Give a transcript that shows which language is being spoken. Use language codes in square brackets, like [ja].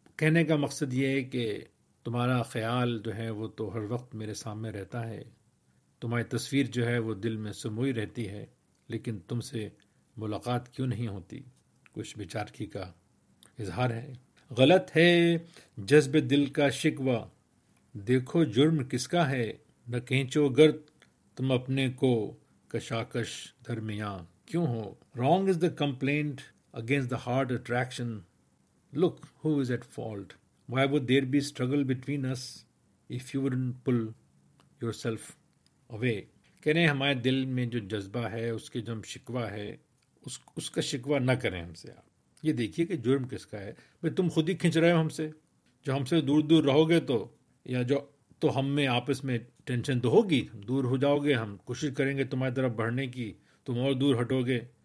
[ur] کہنے کا مقصد یہ ہے کہ تمہارا خیال جو ہے وہ تو ہر وقت میرے سامنے رہتا ہے, تمہاری تصویر جو ہے وہ دل میں سموئی رہتی ہے, لیکن تم سے ملاقات کیوں نہیں ہوتی. کچھ بیچارگی کا اظہار ہے. غلط ہے جذب دل کا شکوہ, دیکھو جرم کس کا ہے, نہ کھینچو گرد تم اپنے کو, کشاکش درمیان کیوں ہو. [en] Wrong is the complaint against the hard attraction, look who is at fault, why would there be struggle between us if you wouldn't pull yourself away. [ur] کہہ رہے ہیں ہمارے دل میں جو جذبہ ہے, اس کے جو ہم شکوہ ہے, اس کا شکوہ نہ کریں ہم سے. آپ یہ دیکھیے کہ جرم کس کا ہے, بھائی تم خود ہی کھینچ رہے ہو ہم سے. جو ہم سے دور دور رہو گے تو, یا جو تو ہم میں آپس میں ٹینشن تو ہوگی, دور ہو جاؤ گے, ہم کوشش کریں گے تمہاری طرف بڑھنے کی, تم اور دور ہٹو گے.